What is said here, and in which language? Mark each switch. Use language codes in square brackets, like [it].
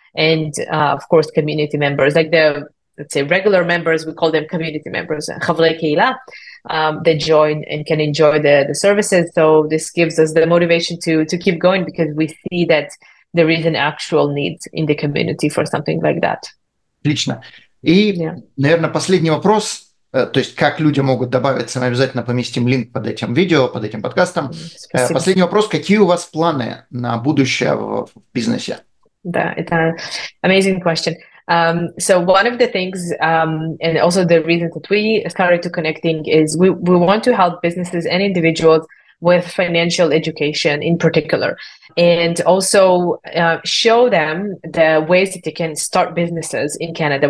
[en] And of course, community members, like the, let's say, regular members, we call them community members, [he] חברי קהילה, [en] that join and can enjoy the services. So this gives us the motivation to keep going, because we see that there is an actual need in the community for something like that. [ru] Отлично. И, yeah. наверное, последний вопрос, то есть как люди могут добавиться, мы обязательно поместим линк под этим видео, под этим подкастом. Спасибо. Последний вопрос, какие у вас планы на будущее в бизнесе? Да, это amazing question. [en] So one of the things, and also the reason that we started to connecting is we want to help businesses and individuals with financial education in particular, and also show them the ways that they can start businesses in Canada.